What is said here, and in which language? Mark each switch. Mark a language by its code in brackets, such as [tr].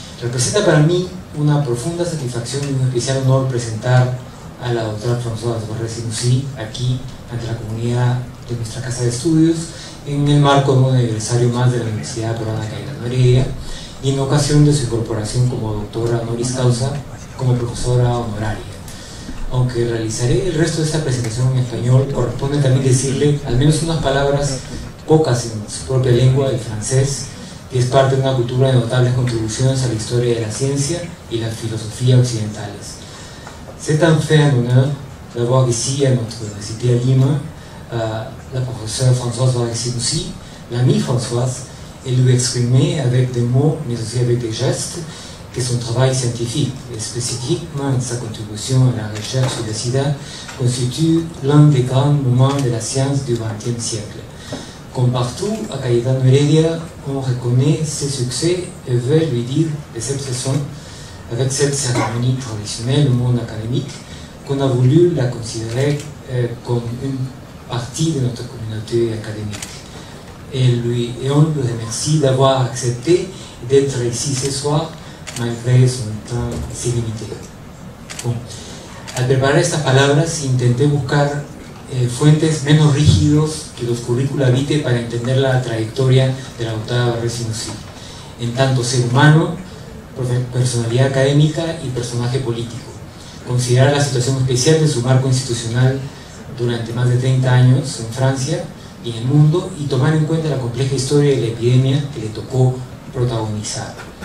[es] Representa para mí una profunda satisfacción y un especial honor presentar a la doctora Françoise Barré-Simoussi aquí ante la comunidad de nuestra Casa de Estudios, en el marco de un aniversario más de la Universidad Peruana Cayetano Heredia y en ocasión de su incorporación como doctora honoris causa, como profesora honoraria. Aunque realizaré el resto de esta presentación en español, corresponde también decirle al menos unas palabras pocas en su propia lengua, el francés, que es parte de una cultura de notables contribuciones a la historia de la ciencia y la filosofía occidentales. [fr] C'est tan fait en honneur d'avoir ici à notre université à Lima la professeure Françoise Barré-Simoussi, l'ami Françoise, et lui exprimer avec des mots, mais aussi avec des gestes, que son travail scientifique, et spécifiquement sa contribution à la recherche sur le sida, constitue l'un des grands moments de la science du XXe siècle. Comme partout à Cayetano Heredia, on reconnaît ses succès et veut lui dire de cette façon, avec cette cérémonie traditionnelle au monde académique, qu'on a voulu la considérer comme une partie de notre communauté académique. Et on lui remercie d'avoir accepté d'être ici ce soir, malgré son temps si limité. Bon. [es] Al preparar estas palabras, intenté buscar fuentes menos rígidos que los currícula vitae para entender la trayectoria de la doctora Barré-Simoussi, en tanto ser humano, personalidad académica y personaje político. Considerar la situación especial de su marco institucional durante más de 30 años en Francia y en el mundo, y tomar en cuenta la compleja historia de la epidemia que le tocó protagonizar.